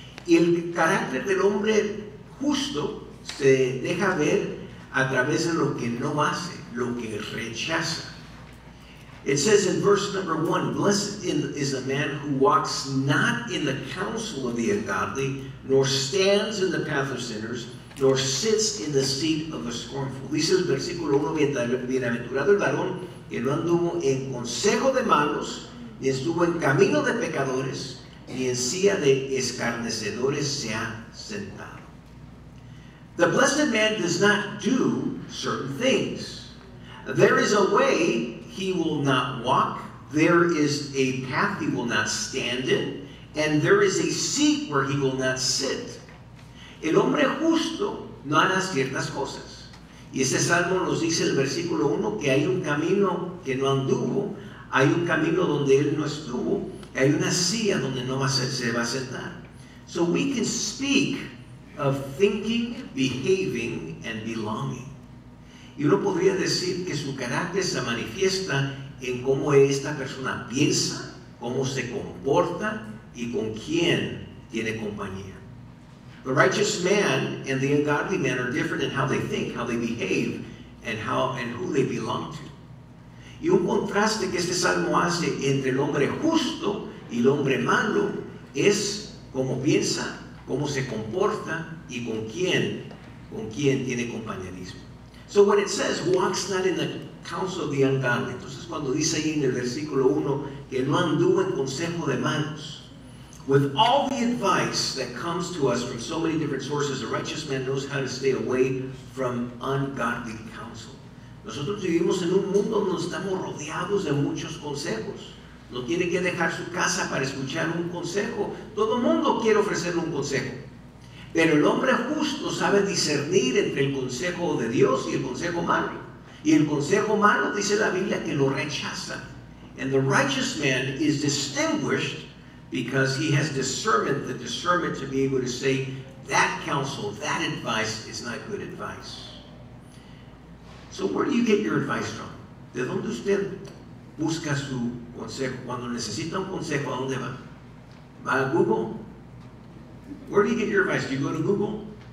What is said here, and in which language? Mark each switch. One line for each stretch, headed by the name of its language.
Spanish: El carácter del hombre justo se deja ver a través de lo que no hace, lo que rechaza.
English: It says in verse number 1, blessed is a man who walks not in the counsel of the ungodly, nor stands in the path of sinners, nor sits in the seat of the scornful.
Spanish: Dice el versículo 1, bienaventurado el varón que no anduvo en consejo de malos, ni estuvo en camino de pecadores, ni en silla de escarnecedores se ha sentado.
English: The blessed man does not do certain things. There is a way he will not walk, there is a path he will not stand in, and there is a seat where he will not sit.
Spanish: El hombre justo no hará ciertas cosas. Y este salmo nos dice el versículo 1 que hay un camino que no anduvo, hay un camino donde él no estuvo, y hay una silla donde no va a ser, se va a sentar.
English: So we can speak of thinking, behaving, and belonging.
Spanish: Y uno podría decir que su carácter se manifiesta en cómo esta persona piensa, cómo se comporta y con quién tiene compañía.
English: The righteous man and the ungodly man are different in how they think, how they behave, and who they belong to.
Spanish: Y un contraste que este salmo hace entre el hombre justo y el hombre malo es cómo piensa, cómo se comporta y con quién tiene compañerismo.
English: So when it says, walks not in the counsel of the ungodly,
Spanish: entonces cuando dice ahí en el versículo 1, que no anduvo en consejo de malos,
English: with all the advice that comes to us from so many different sources, a righteous man knows how to stay away from ungodly counsel.
Spanish: Nosotros vivimos en un mundo donde estamos rodeados de muchos consejos. No tiene que dejar su casa para escuchar un consejo. Todo mundo quiere ofrecerle un consejo. Pero el hombre justo sabe discernir entre el consejo de Dios y el consejo malo. Y el consejo malo, dice la Biblia, que lo rechaza.
English: And the righteous man is distinguished because he has discernment, the discernment to be able to say that counsel, that advice is not good advice. So where do you get your advice from?
Spanish: ¿De dónde usted busca su consejo? Cuando necesita un consejo, ¿a dónde va? ¿Va a Google?
English: Where do you get your advice? Do you go to Google?